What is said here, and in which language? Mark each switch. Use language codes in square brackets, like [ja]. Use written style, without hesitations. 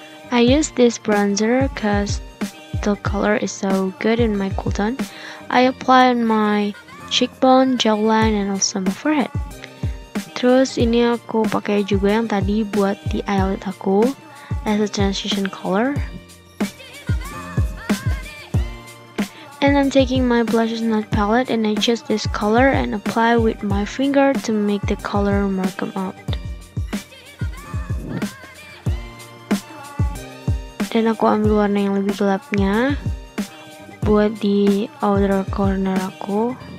[en] I use this bronzer because the color is so good in my cool tone. I apply on my cheekbone, jawline, and also my forehead. [id] Terus ini aku pakai juga yang tadi buat di eyelid aku [en] as a transition color. And I'm taking my blushes nude palette and I choose this color and apply with my finger to make the color more come out. [id] Dan aku ambil warna yang lebih gelapnya buat di outer corner aku.